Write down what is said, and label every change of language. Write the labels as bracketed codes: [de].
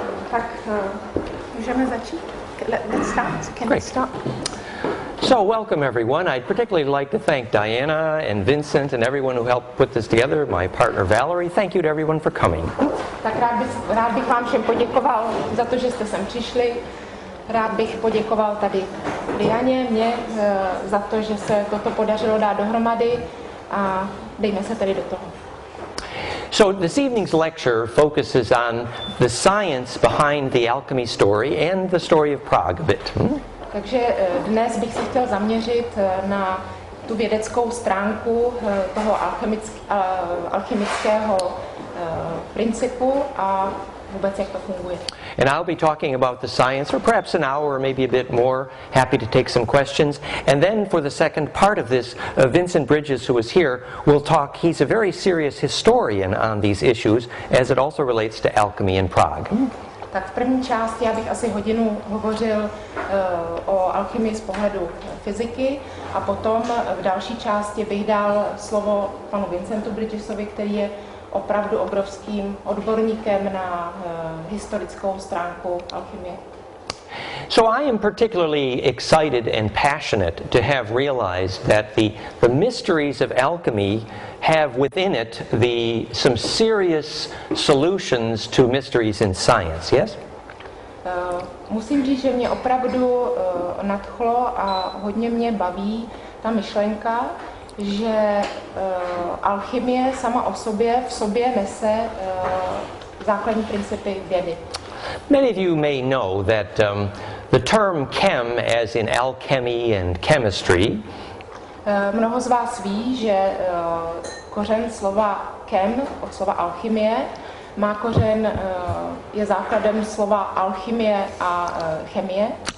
[cs] Tak můžeme začít? [en] Let's start. Can Great. We start? So welcome everyone. I'd particularly like to thank Diana and Vincent and everyone who helped put this together, my partner Valerie. Thank you to everyone for coming. [cs] Tak rád bych vám všem poděkoval za to, že jste sem přišli. Rád bych poděkoval tady Dianě, mě, za to, že se toto podařilo dát dohromady a dejme se tady do toho. [en] So this evening's lecture focuses on the science behind the alchemy story and the story of Prague a bit. [cs] Takže dnes bych se chtěl zaměřit na tu vědeckou stránku toho alchemického principu a vůbec jak to funguje. [en] And I'll be talking about the science for perhaps an hour or maybe a bit more. Happy to take some questions. And then for the second part of this, Vincent Bridges, who is here, will talk. He's a very serious historian on these issues as it also relates to alchemy in Prague. [cs] Tak v první části já bych asi hodinu hovořil o alchymii z pohledu fyziky a potom v další části bych dal slovo panu Vincentu Bridgesovi, který je opravdu obrovským odborníkem na historickou stránku alchymie. [en] So I am particularly excited and passionate to have realized that the mysteries of alchemy have within it some serious solutions to mysteries in science, yes? [cs] Musím říct, že mě opravdu nadchlo a hodně mě baví ta myšlenka, že alchymie sama o sobě v sobě nese základní principy vědy. [en] Many of you may know that the term chem, as in alchemy and chemistry, [cs] mnoho z vás ví, že kořen slova chem od slova alchymie má kořen, je základem slova alchymie a chemie.